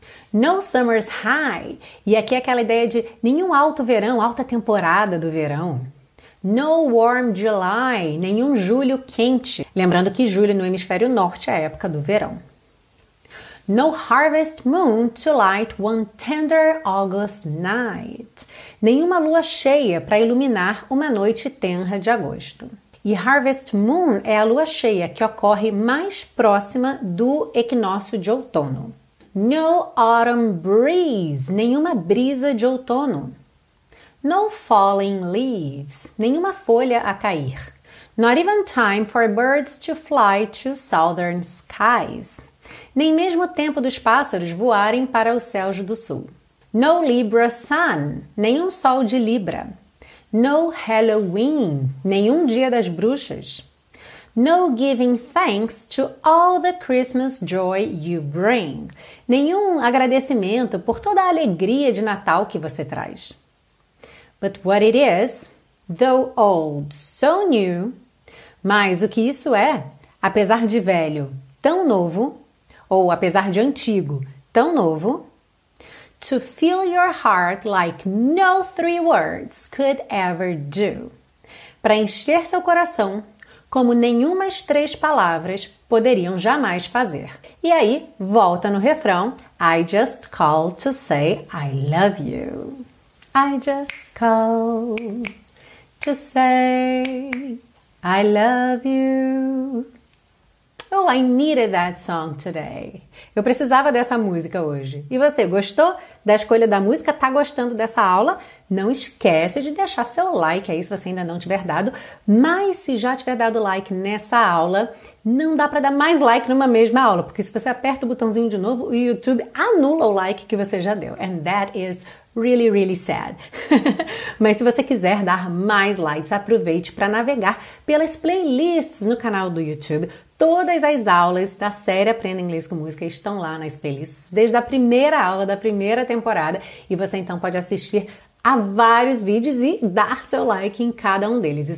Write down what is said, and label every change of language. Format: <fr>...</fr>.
<en>No summer's high.</en> <pt>E aqui é aquela ideia de nenhum alto verão, alta temporada do verão.</pt> <en>No warm July,</en> <pt>nenhum julho quente. Lembrando que julho no hemisfério norte é a época do verão.</pt> <en>No harvest moon to light one tender August night.</en> <pt>Nenhuma lua cheia para iluminar uma noite tenra de agosto. E harvest moon é a lua cheia que ocorre mais próxima do equinócio de outono.</pt> <en>No autumn breeze,</en> <pt>nenhuma brisa de outono.</pt> <en>No falling leaves,</en> <pt>nenhuma folha a cair.</pt> <en>Not even time for birds to fly to southern skies.</en> <pt>Nem mesmo tempo dos pássaros voarem para os céus do sul.</pt> <en>No Libra sun,</en> <pt>nenhum sol de Libra.</pt> <en>No Halloween,</en> <pt>nenhum dia das bruxas.</pt> <en>No giving thanks to all the Christmas joy you bring.</en> <pt>Nenhum agradecimento por toda a alegria de Natal que você traz.</pt> <en>But what it is, though old, so new.</en> <pt>Mas o que isso é, apesar de velho, tão novo, ou apesar de antigo, tão novo.</pt> <en>To fill your heart like no three words could ever do.</en> <pt>Para encher seu coração como nenhumas três palavras poderiam jamais fazer. E aí, volta no refrão.</pt> <en>I just call to say I love you. I just call to say I love you. Oh, I needed that song today.</en> <pt>Eu precisava dessa música hoje. E você, gostou da escolha da música? Tá gostando dessa aula? Não esquece de deixar seu like aí se você ainda não tiver dado. Mas se já tiver dado like nessa aula, não dá para dar mais like numa mesma aula. Porque se você aperta o botãozinho de novo, o YouTube anula o like que você já deu.</pt> <en>And that is really, really sad.</en> <pt>Mas se você quiser dar mais likes, aproveite para navegar pelas playlists no canal do YouTube. Todas as aulas da série Aprenda Inglês com Música estão lá nas playlists, desde a primeira aula da primeira temporada, e você então pode assistir a vários vídeos e dar seu like em cada um deles.</pt>